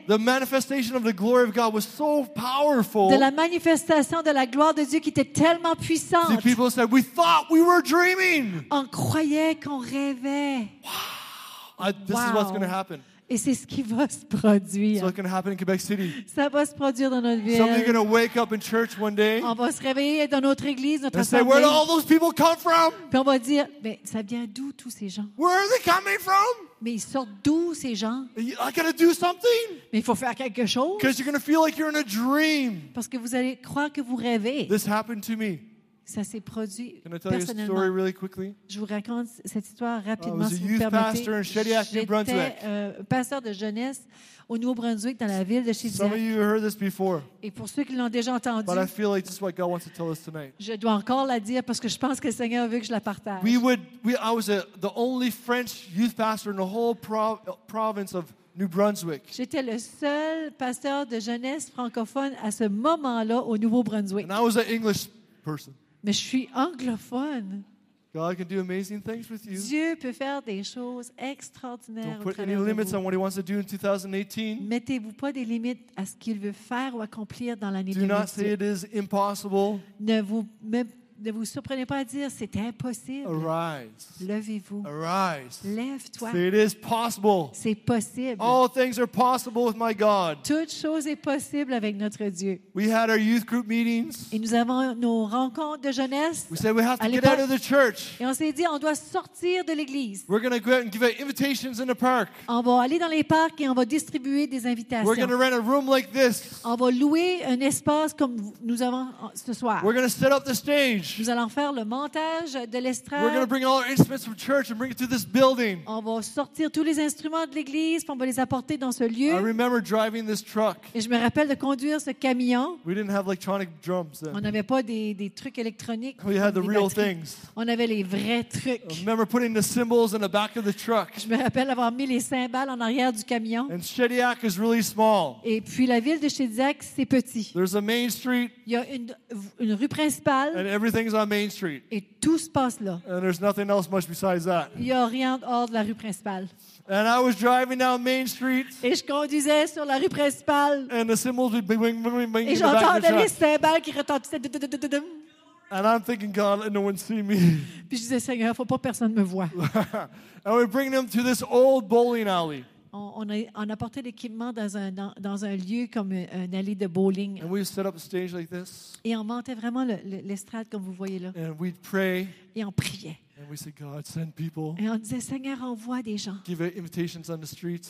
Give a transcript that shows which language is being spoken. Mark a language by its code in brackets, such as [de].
[en] The manifestation of the glory of God was so powerful. [fr] De la manifestation de la gloire de Dieu qui était tellement puissante. [en] See, people said we thought we were dreaming. [fr] On croyait qu'on rêvait. [en] Wow. This is what's going to happen. [fr] Et c'est ce qui va se produire. [en] It's what's going to happen in Quebec City. [fr] Ça va se produire dans notre ville. [en] Somebody's going to wake up in church one day. [fr] On va se réveiller dans notre église, notre assemblée. [en] And say, where did all those people come from? [fr] Puis on va dire, mais ça vient d'où tous ces gens? [en] Where are they coming from? [fr] Mais ils sortent d'où ces gens? [en] I got to do something. [fr] Mais il faut faire quelque chose. [en] Because you're going to feel like you're in a dream. [fr] Parce que vous allez croire que vous rêvez. [en] This happened to me. [fr] Ça s'est produit [en] Can I tell [fr] personnellement. [en] You a story really quickly? [fr] Je vous raconte cette histoire rapidement, [en] I was a youth pastor in Shediac, New Brunswick. [fr] J'étais pasteur de jeunesse au Nouveau-Brunswick dans la ville de Shediac. [en] Some of you heard this before. [fr] Et pour ceux qui l'ont déjà entendu. [en] But I feel like this is what God wants to tell us tonight. [fr] Je dois encore la dire parce que je pense que le Seigneur veut que je la partage. [en] I was the only French youth pastor in the whole province of New Brunswick. [fr] J'étais le seul pasteur de jeunesse francophone à ce moment-là au Nouveau-Brunswick. [en] And I was an English person. [fr] Mais je suis anglophone. [en] God can do amazing things with you. [fr] Dieu peut faire des choses extraordinaires. [en] Don't put any limits on what he wants to do in 2018. [fr] Mettez-vous pas des limites à ce qu'il veut faire ou accomplir dans l'année 2018. [en] Do not say it is impossible. [fr] Ne vous surprenez pas à dire c'est impossible. [en] Arise. [fr] Levez-vous. [en] Arise. [fr] Lève-toi. [en] Say it is possible. [fr] C'est possible. [en] All things are possible with my God. [fr] Toute chose est possible avec notre Dieu. [en] We had our youth group meetings. [fr] Et nous avons nos rencontres de jeunesse. [en] We said we have to get out of the church. [fr] Et on s'est dit on doit sortir de l'église. [en] We're going to go out and give out invitations in the park. [fr] On va aller dans les parcs et on va distribuer des invitations. [en] We're going to rent a room like this. [fr] On va louer un espace comme nous avons ce soir. [en] We're going to set up the stage. [fr] Nous allons faire le montage de l'estrade. [en] We're going to bring all our instruments from church and bring it to this building. [fr] On va sortir tous les instruments de l'église, puis on va les apporter dans ce lieu. [en] I remember driving this truck. [fr] Et je me rappelle de conduire ce camion. [en] We didn't have electronic drums then. [fr] On n'avait pas des trucs électroniques. [en] We had the real things. [fr] On avait les vrais trucs. [en] I remember putting the cymbals in the back of the truck. [fr] Je me rappelle avoir mis les cymbales en arrière du camion. [en] And Shediac is really small. [fr] Et puis la ville de Shediac, c'est petit. [en] There's a main street. [fr] Il y a une rue principale. [en] And everything's on Main Street. [fr] Et tout se passe là. [en] And there's nothing else much besides that. [fr] Il y a rien hors de la rue principale. [en] And I was driving down Main Street. [fr] Et je conduisais sur la rue principale. [en] And the cymbals would be ringing, ringing, ringing. [fr] Et j'entendais les cymbales qui retentissaient. [en] And I'm thinking, God, let no one see me. [fr] Puis je disais, Seigneur, faut pas personne me voit. [en] And we bring them to this old bowling alley. [fr] On apportait l'équipement dans un lieu comme une allée de bowling. [en] And we set up a stage like this. [fr] Et on montait vraiment l'estrade comme vous voyez là. [en] And we'd pray. [fr] Et on priait. [en] And we said, God, send people. [fr] Et on disait, Seigneur, envoie des gens. [en] Give invitations on the streets.